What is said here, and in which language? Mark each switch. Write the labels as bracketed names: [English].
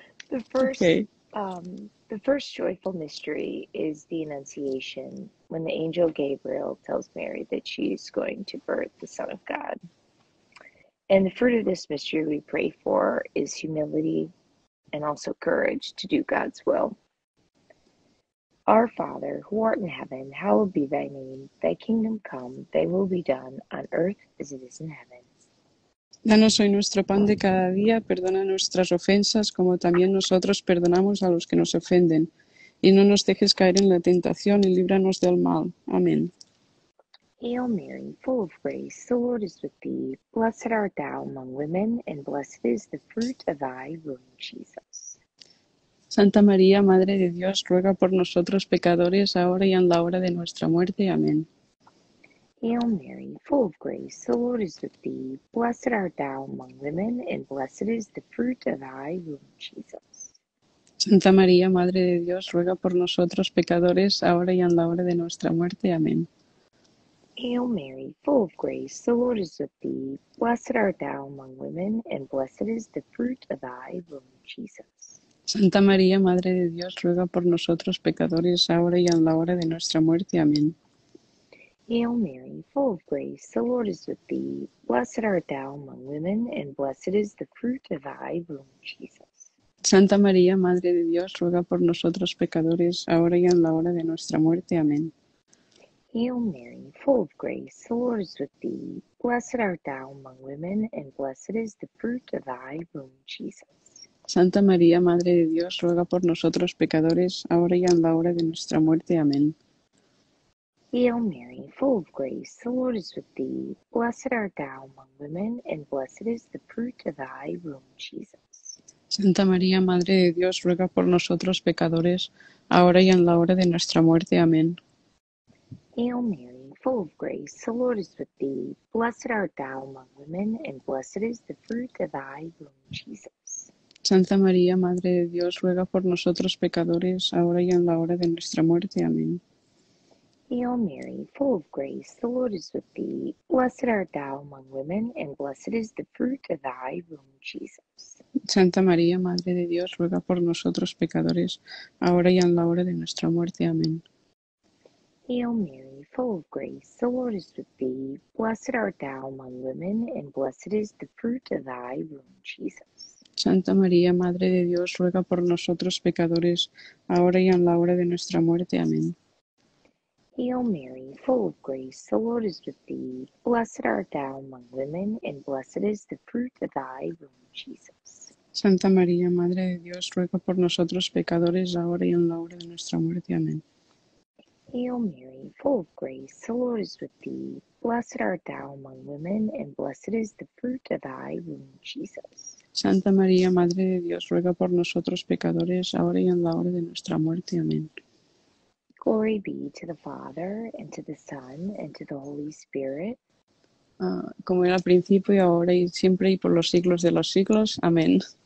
[English] The first joyful mystery is the Annunciation, when the angel Gabriel tells Mary that she is going to birth the Son of God. And the fruit of this mystery we pray for is humility and also courage to do God's will. Our Father, who art in heaven, hallowed be thy name. Thy kingdom come, thy will be done, on earth as it is in heaven. [Spanish] Danos hoy nuestro pan de cada día, perdona nuestras ofensas, como también nosotros perdonamos a los que nos ofenden. Y no nos dejes caer en la tentación y líbranos del mal. Amén. [English] Hail Mary, full of grace, the Lord is with thee. Blessed art thou among women, and blessed is the fruit of thy womb, Jesus. [Spanish] Santa María, Madre de Dios, ruega por nosotros pecadores, ahora y en la hora de nuestra muerte. Amén. [English] Hail Mary, full of grace, the Lord is with thee. Blessed art thou among women, and blessed is the fruit of thy womb, Jesus. [Spanish] Santa María, Madre de Dios, ruega por nosotros pecadores, ahora y en la hora de nuestra muerte. Amén. [English] Hail Mary, full of grace, the Lord is with thee. Blessed art thou among women, and blessed is the fruit of thy womb, Jesus. [Spanish] Santa María, Madre de Dios, ruega por nosotros pecadores, ahora y en la hora de nuestra muerte. Amén. [English] Hail Mary, full of grace, the Lord is with thee. Blessed art thou among women, and blessed is the fruit of thy womb, Jesus. [Spanish] Santa María, Madre de Dios, ruega por nosotros pecadores, ahora y en la hora de nuestra muerte. Amén. [English] Hail Mary, full of grace, the Lord is with thee. Blessed art thou among women, and blessed is the fruit of thy womb, Jesus. [Spanish] Santa María, Madre de Dios, ruega por nosotros pecadores, ahora y en la hora de nuestra muerte. Amén. [English] Hail Mary, full of grace, the Lord is with thee. Blessed art thou among women, and blessed is the fruit of thy womb, Jesus. [Spanish] Santa María, Madre de Dios, ruega por nosotros pecadores, ahora y en la hora de nuestra muerte. Amén. [English] Hail Mary, full of grace, the Lord is with thee. Blessed art thou among women, and blessed is the fruit of thy womb, Jesus. [Spanish] Santa María, Madre de Dios, ruega por nosotros pecadores, ahora y en la hora de nuestra muerte. Amén. [English] Hail Mary, full of grace, the Lord is with thee. Blessed art thou among women, and blessed is the fruit of thy womb, Jesus. [Spanish] Santa María, Madre de Dios, ruega por nosotros pecadores, ahora y en la hora de nuestra muerte. Amén. [English] Hail Mary, full of grace, the Lord is with thee. Blessed art thou among women, and blessed is the fruit of thy womb, Jesus. [Spanish] Santa María, Madre de Dios, ruega por nosotros pecadores, ahora y en la hora de nuestra muerte. Amén. [English] Hail Mary, full of grace, the Lord is with thee. Blessed art thou among women, and blessed is the fruit of thy womb, Jesus. [Spanish] Santa María, Madre de Dios, ruega por nosotros pecadores, ahora y en la hora de nuestra muerte. Amén. [English] Hail Mary, full of grace, the Lord is with thee. Blessed art thou among women, and blessed is the fruit of thy womb, Jesus. [Spanish] Santa María, Madre de Dios, ruega por nosotros pecadores, ahora y en la hora de nuestra muerte. Amén. [English] Glory be to the Father, and to the Son, and to the Holy Spirit. [Spanish] Como era al principio, y ahora y siempre, y por los siglos de los siglos. Amén.